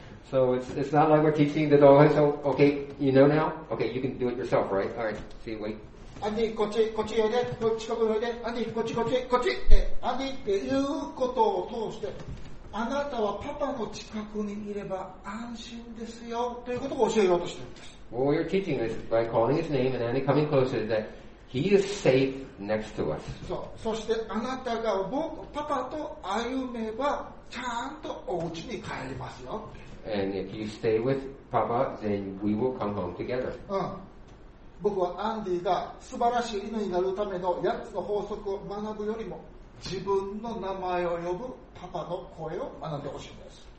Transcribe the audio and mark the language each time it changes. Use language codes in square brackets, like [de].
[en] So it's not like we're teaching the dog. So okay, you know now. Okay, you can do it yourself, right? All right. See, wait. [ja] Andy, こっちこっちおいで。こっち来るおいで。Andy, こっちこっちこっち。Andy っていうことを通して、あなたはパパの近くにいれば安心ですよということを教えようとしているんです。 [en] What you're teaching is by calling his name and then coming closer that he is safe next to us. そう。 [ja] そしてあなたが僕パパと歩めばちゃんとお家に帰りますよ。 [en] And if you stay with Papa, then we will come home together. うん。 [ja] 僕はアンディが素晴らしい犬になるための8つの法則を学ぶよりも自分の名前を呼ぶパパの声を学んでほしいんです。